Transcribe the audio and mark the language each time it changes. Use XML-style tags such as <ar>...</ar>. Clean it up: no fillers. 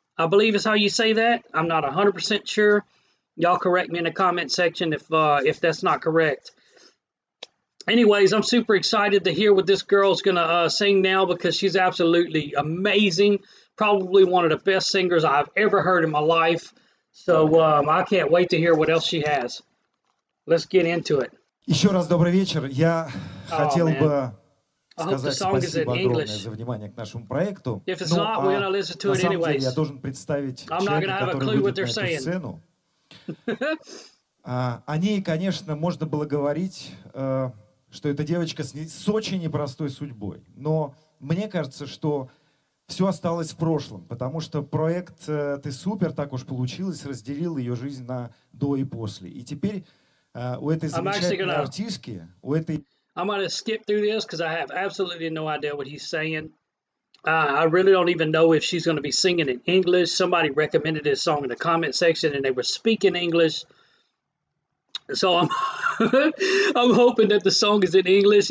<en>I believe is how you say that. I'm not 100% sure. Y'all correct me in the comment section if that's not correct. Anyways, I'm super excited to hear what this girl's going to sing now, because she's absolutely amazing. Probably one of the best singers I've ever heard in my life. So I can't wait to hear what else she has. Let's get into it.</en> <ru>Еще раз добрый вечер. Я хотел бы сказать спасибо огромное за внимание к нашему проекту.</ru> <en>If it's not, we're going to listen to it anyways.</en> <ru>Я должен представить человека, который выйдет на эту сцену. О ней, конечно, можно было говорить, что эта девочка с очень непростой судьбой. Но мне кажется, что все осталось в прошлом, потому что проект «Ты супер», так уж получилось, разделил ее жизнь на до и после. И теперь у этой замечательной артистки, у этой...</ru> <en>I'm going to skip through this, because I have absolutely no idea what he's saying. I really don't even know if she's going to be singing in English. Somebody recommended this song in the comment section, and they were speaking English. So I'm hoping that the song is in English.</en>